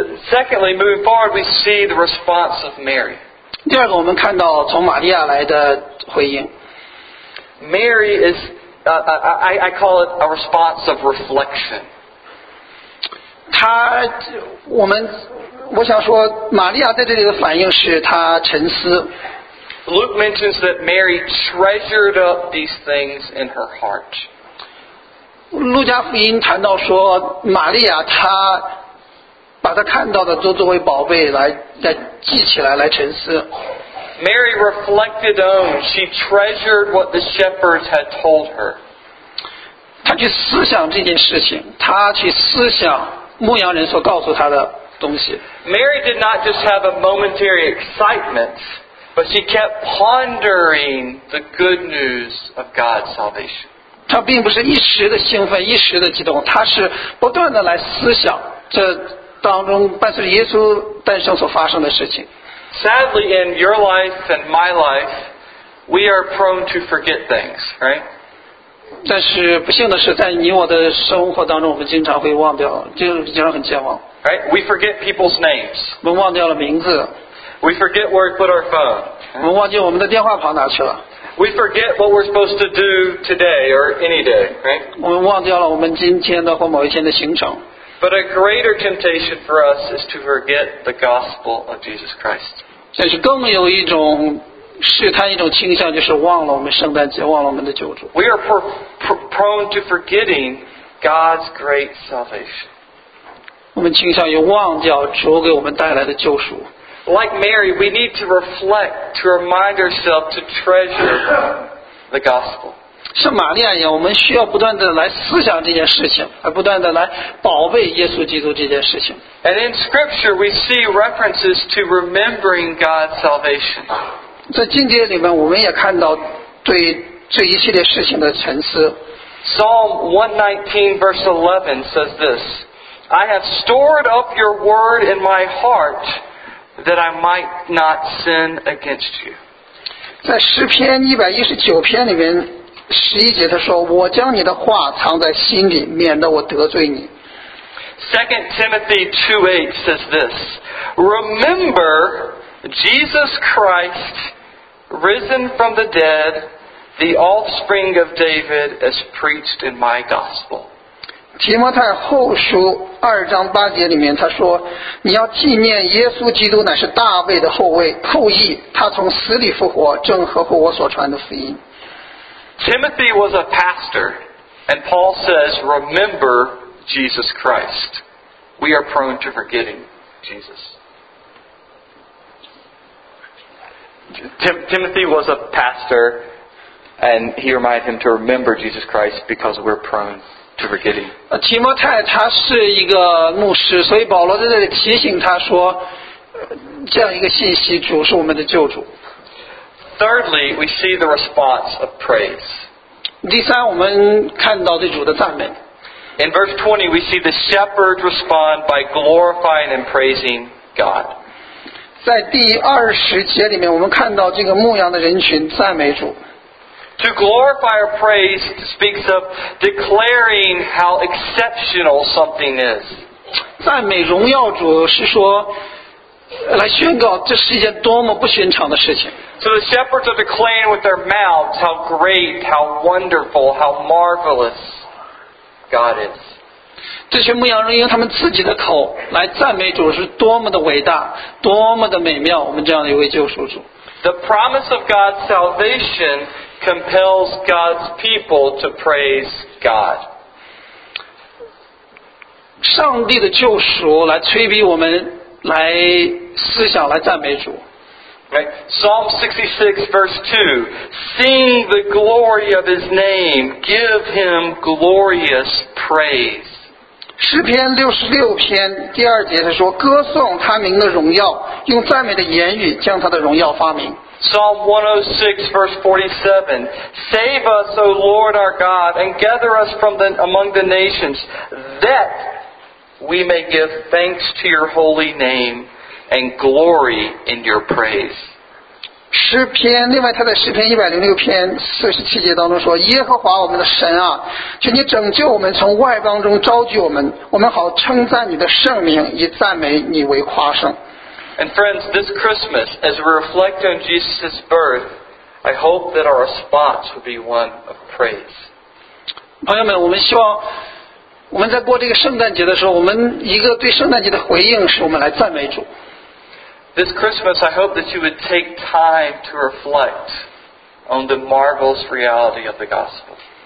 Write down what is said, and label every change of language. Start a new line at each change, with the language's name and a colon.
English: Secondly, moving forward we see the response of Mary
Chinese: 第二个我们看到从玛利亚来的回应
English: Mary is I call it a response of reflection
Chinese: 她我们我想说玛利亚在这里的反应是她沉思
English: Luke mentions that Mary treasured up these things in her heart
Chinese: 路加福音谈到说玛利亚她把她看到的都作为宝贝 来记起来来沉思
English: Mary reflected on she treasured what the shepherds had told her
Chinese: 她去思想这件事情她去思想牧羊人所告诉她的东西
English: Mary did not just have a momentary excitement, but she kept pondering the good news of God's salvation.
Chinese: 她并不是一时的兴奋，一时的激动，她是不断的来思想这当中伴随着耶稣诞生所发生的事情。
English: Sadly, in your life and my life, we are prone to forget things, right?
Chinese: 但是不幸的是在你我的生活当中我们经常会忘掉经常很健忘
English: Right, we forget people's names
Chinese: 我们忘掉了名字
English: We forget where we put our phone
Chinese: 我们忘记我们的电话跑哪去了
English: We forget what we're supposed to do today or any day Right,
Chinese: 我们忘掉了我们今天的或某一天的行程
English: But a greater temptation for us is to forget the gospel of Jesus Christ
Chinese: 但是更有一种试探一种倾向就是忘了我们圣诞节忘了我们的救主
English: We are prone to forgetting God's great salvation
Chinese: 我们倾向于忘掉主给我们带来的救赎
English: Like Mary, we need to reflect to remind ourselves to treasure the gospel
Chinese: 像玛利亚一样我们需要不断的来思想这件事情而不断的来宝贝耶稣基督这件事情
English: And in scripture we see references to remembering God's salvation
Chinese: 在经节里面我们也看到对这一系列事情的沉思
English: Psalm 119 verse 11 says this, I have stored up your word in my heart that I might not sin against you.
Chinese: 在诗篇119篇里面11节他说，我将你的话藏在心里，免得我得罪你。
English: 2 Timothy 2:8 says this, Remember Jesus Christ risen from the dead, the offspring of David as preached in my gospel.
Chinese: 提摩太后书2:8里面他说，你要纪念耶稣基督乃是大卫的后裔，他从死里复活，正合乎我所传的福音。
English: Timothy was a pastor, and Paul says, Remember Jesus Christ. We are prone to forgetting Jesus. Timothy was a pastor, and he reminded him to remember Jesus Christ because we're prone to forgetting.
Chinese: 提摩太他是一个牧师，所以保罗在这里提醒他说，这样一个信息，主是我们的救主。
English: Thirdly, we see the response of praise.
Chinese: 第三，我们看到对主的赞美。
English: In verse 20, we see the shepherds respond by glorifying and praising God.
Chinese: 在第二十节里面，我们看到这个牧羊的人群赞美主。
English: To glorify or praise speaks of declaring how exceptional something is.
Chinese: 赞美荣耀主是说来宣告这是一件多么不寻常的事情。
English: So the shepherds are declaring with their mouths how great, how wonderful, how marvelous God is.
Chinese: 这些牧羊人用他们自己的口来赞美主是多么的伟大，多么的美妙，我们这样的一位救赎主。
English: The promise of God's salvation compels God's people to praise God.
Chinese: 上帝的救赎来催逼我们来思想，来赞美主。
English: Right. Psalm 66 verse 2 Sing the glory of his name Give him glorious praise
Chinese: 诗篇66篇第二节他说歌颂他名的荣耀用赞美的言语将他的荣耀发明
English: Psalm 106 verse 47 Save us O Lord our God And gather us from among the nations That we may give thanks to your holy nameAnd glory in your praise.
Chinese: 诗篇，另外他在诗篇106篇47节当中说，耶和华我们的神啊，求你拯救我们从外邦中召集我们，我们好称赞你的圣名，以赞美你为夸胜。
English: And friends, this Christmas, as we reflect on Jesus' birth, I hope that our response will be one of praise.
Chinese: 朋友们，我们希望我们在过这个圣诞节的时候，我们一个对圣诞节的回应是我们来赞美主。
English: This Christmas, I hope that you would take time to reflect on the marvelous reality of the gospel.